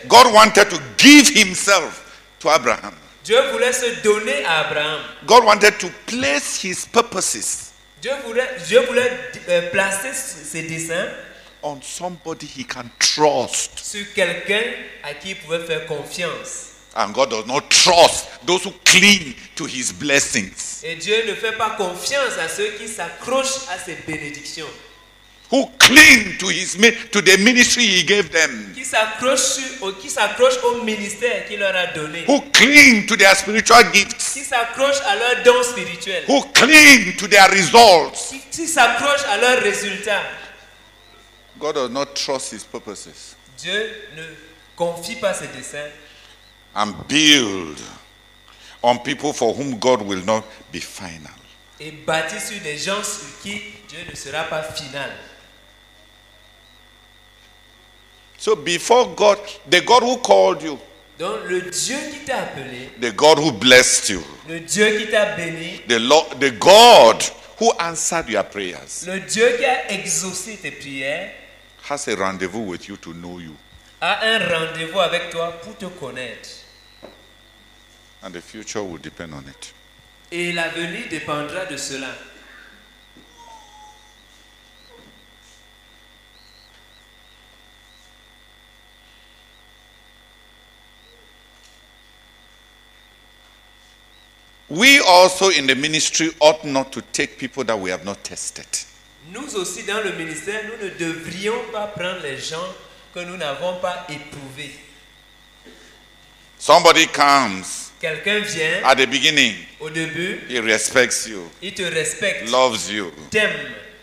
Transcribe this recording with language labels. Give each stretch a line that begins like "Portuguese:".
English: God wanted to give himself to Abraham.
French: Dieu voulait se donner à Abraham.
English: God wanted to place his purposes.
French: Dieu voulait placer ses desseins
English: on somebody he can trust.
French: Sur quelqu'un à qui il pouvait faire confiance.
English: And God does not trust those who cling to his blessings.
French: Et Dieu ne fait pas confiance à ceux qui s'accrochent à ses bénédictions.
English: Who cling to his to the ministry he gave them.
French: Qui s'accroche au ministère qu'il leur a donné.
English: Who cling to their spiritual gifts.
French: Qui s'accroche à leurs dons spirituels.
English: Who cling to their results.
French: Qui s'accroche à leurs résultats.
English: God does not trust his purposes.
French: Dieu ne confie pas ses desseins.
English: And build on people for whom God will not be final.
French: Et bâtir sur des gens sur qui Dieu ne sera pas final.
English: So before God, the God who called you.
French: Donc le Dieu qui t'a appelé.
English: The God who blessed you.
French: Le Dieu qui t'a béni.
English: The God who answered your prayers.
French: Le Dieu qui a exaucé tes prières.
English: Has a rendezvous with you to know you.
French: A un rendez-vous avec toi pour te connaître.
English: And the future will depend on it.
French: Et l'avenir dépendra de cela.
English: We also in the ministry ought not to take people that we have not tested.
French: Nous aussi dans le ministère, nous ne devrions pas prendre les gens que nous n'avons pas éprouvés.
English: Somebody comes.
French: Quelqu'un vient.
English: At the beginning.
French: Au début.
English: He respects you.
French: Il te respecte.
English: Loves you.
French: T'aime.